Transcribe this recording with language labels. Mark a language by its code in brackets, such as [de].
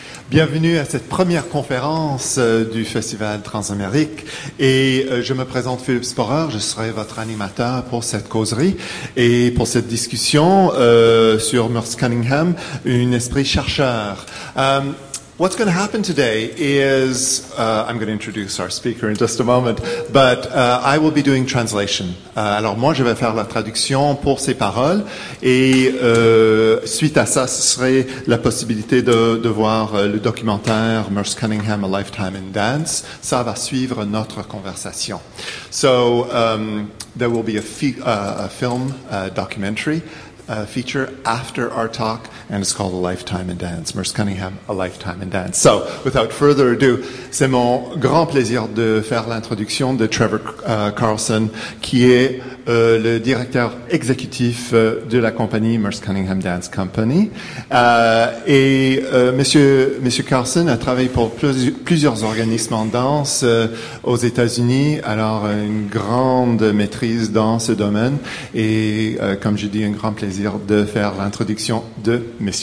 [fr] Bienvenue à cette première conférence du Festival Transamérique. Et je me présente Philippe Sporeur, je serai votre animateur pour cette causerie et pour cette discussion sur Merce Cunningham, un esprit chercheur. [en] What's going to happen today is, I'm going to introduce our speaker in just a moment, but I will be doing translation. [fr] Alors moi, je vais faire la traduction pour ces paroles, et suite à ça, ce serait la possibilité de voir le documentaire Merce Cunningham, A Lifetime in Dance. Ça va suivre notre conversation. [en] So, there will be a film documentary. Feature after our talk, and it's called A Lifetime in Dance. Merce Cunningham, A Lifetime in Dance. So, without further ado, [fr] c'est mon grand plaisir de faire l'introduction de Trevor Carlson, qui est le directeur exécutif de la compagnie Merce Cunningham Dance Company. Monsieur Carlson a travaillé pour plusieurs organismes en danse aux États-Unis, alors une grande maîtrise dans ce domaine, et comme je dis, un grand plaisir de faire l'introduction de M.